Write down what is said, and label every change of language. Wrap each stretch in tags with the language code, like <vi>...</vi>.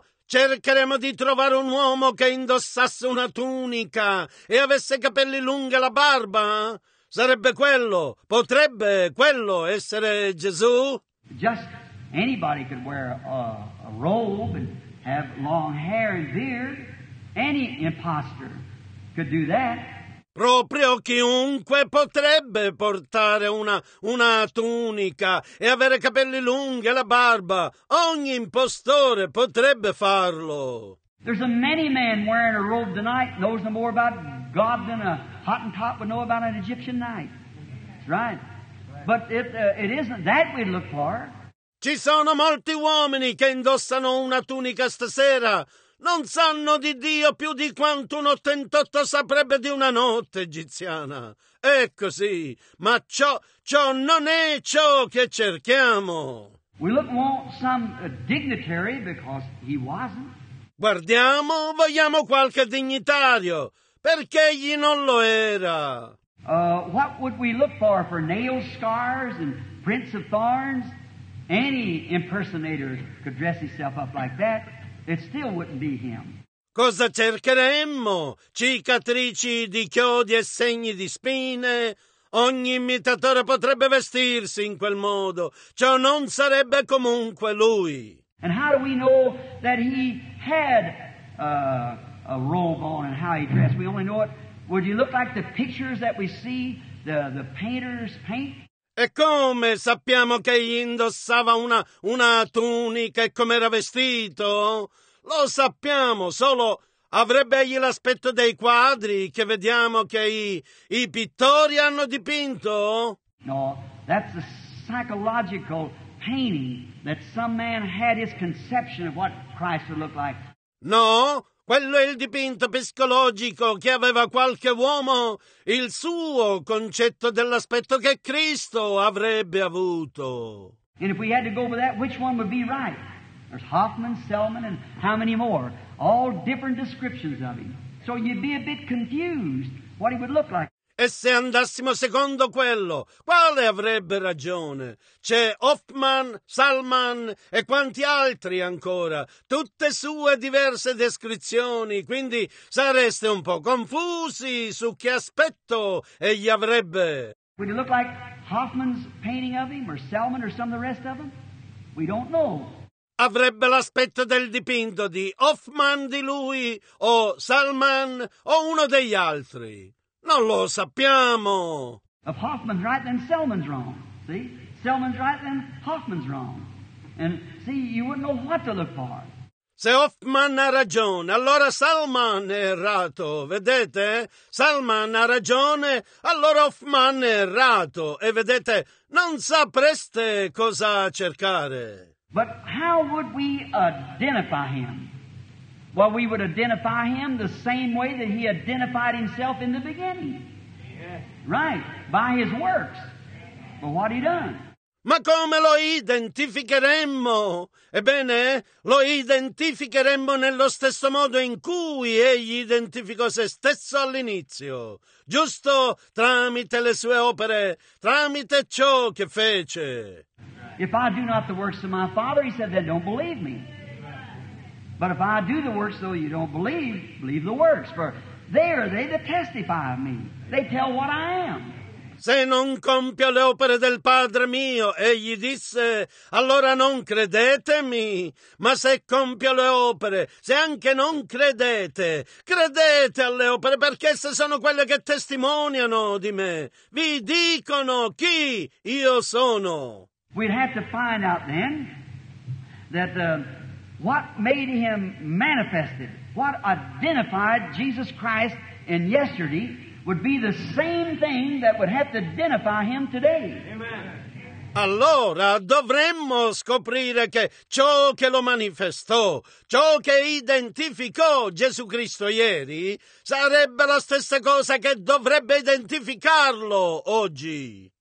<it>Cercheremmo di trovare un uomo che indossasse una tunica e avesse capelli lunghi e la barba? Sarebbe quello? Potrebbe quello essere Gesù?</it> <en>Just anybody could wear a robe and have long hair and beard. Any imposter could do that.</en> <it>Proprio chiunque potrebbe portare una tunica e avere capelli lunghi e la barba. Ogni impostore potrebbe farlo.</it> <en>There's a many men wearing a robe tonight knows no more about God than a Hottentot would know about an Egyptian knight. That's right. But it isn't that we'd look for.</en> <it>Ci sono molti uomini che indossano una tunica stasera. Non sanno di Dio più di quanto un 88 saprebbe di una notte egiziana. È così, ma ciò non è ciò che cerchiamo.</it> <en>We look for some dignitary because he wasn't.</en> <it>Guardiamo, vogliamo qualche dignitario, perché egli non lo era.</it> <en>What would we look for nail scars and prints of thorns? Any impersonator could dress himself up like that. It still wouldn't be him.</en> <it>Cosa cercheremmo? Cicatrici di chiodi e segni di spine? Ogni imitatore potrebbe vestirsi in quel modo. Ciò non sarebbe comunque lui.</it> <en>And how do we know that he had a robe on and how he dressed? We only know it. Would you look like the pictures that we see the painters paint?</en> <it>E come sappiamo che egli indossava una tunica e come era vestito? Lo sappiamo, solo avrebbe egli l'aspetto dei quadri che vediamo che i pittori hanno dipinto?</it> <en>No, that's a psychological painting that some man had his conception of what Christ would look like.</en> <it>No, quello è il dipinto psicologico che aveva qualche uomo, il suo concetto dell'aspetto che Cristo avrebbe avuto.</it> <en>And if we had to go with that, which one would be right? There's Hoffman, Selman, and how many more? All different descriptions of him. So you'd be a bit confused what he would look like.</en> <it>E se andassimo secondo quello, quale avrebbe ragione? C'è Hoffman, Salman e quanti altri ancora, tutte sue diverse descrizioni, quindi sareste un po' confusi su che aspetto egli avrebbe.</it> <en>Would it look like Hoffman's painting of him, or Salman, or some of the rest of them? We don't know.</en> <it>Avrebbe l'aspetto del dipinto di Hoffman di lui, o Salman, o uno degli altri. Non lo sappiamo.</it> <en>If Hoffman's right, then Salman's wrong. See? Salman's right, then Hoffman's wrong. And see, you wouldn't know what to look for.</en> <it>Se Hoffman ha ragione, allora Salman è errato, vedete? Salman ha ragione, allora Hoffman è errato. E vedete, non sapreste cosa cercare.</it> <en>But how would we identify him? Well, we would identify him the same way that he identified himself in the beginning. Yeah. Right, by his works. But what he done?</en> <it>Ma come lo identificheremmo? Ebbene, lo identificheremmo nello stesso modo in cui egli identificò se stesso all'inizio, giusto tramite le sue opere, tramite ciò che fece.</it> <en>If I do not the works of my Father, he said, then don't believe me. But if I do the works, though you don't believe, believe the works, for they are they that testify of me. They tell what I am.</en> <it>Se non compio le opere del Padre mio, egli disse, allora non credetemi, ma se compio le opere, se anche non credete, credete alle opere, perché esse sono quelle che testimoniano di me, vi dicono chi io sono.</it> <en>We'd have to find out then that what made him manifested, what identified Jesus Christ in yesterday, would be the same thing that would have to identify him today. Amen.</en> <it>Allora dovremmo scoprire che ciò che lo manifestò, ciò che identificò Gesù Cristo ieri, sarebbe la stessa cosa che dovrebbe identificarlo oggi.</it>